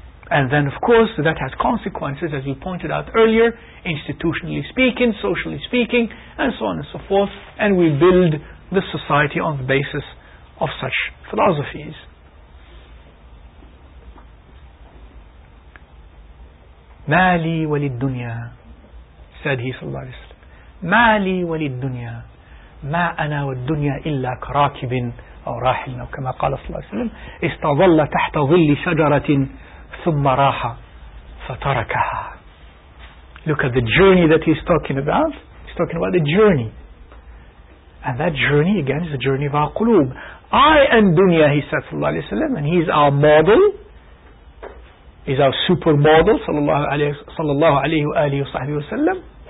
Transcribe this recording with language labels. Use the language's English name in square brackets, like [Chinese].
[English] And then of course that has consequences, as we pointed out earlier, institutionally speaking, socially speaking, and so on and so forth. And we build the society on the basis of such philosophies. [Arabic] مالي وللدنيا, [English] said he [Arabic] صلى الله عليه وسلم, مالي وللدنيا ما أنا والدنيا إلا كراكب أو راحل, أو كما قال صلى الله عليه وسلم, استظل تحت ظل شجرة ثم راح فتركها. [English] Look at the journey that he's talking about. He's talking about the journey, and that journey again is the journey of our قلوب. I am dunya, he said [Arabic] صلى الله عليه وسلم, [English] and he's our model, is our supermodel, sallallahu alayhi wa alihi wa sahbihi wa sallam.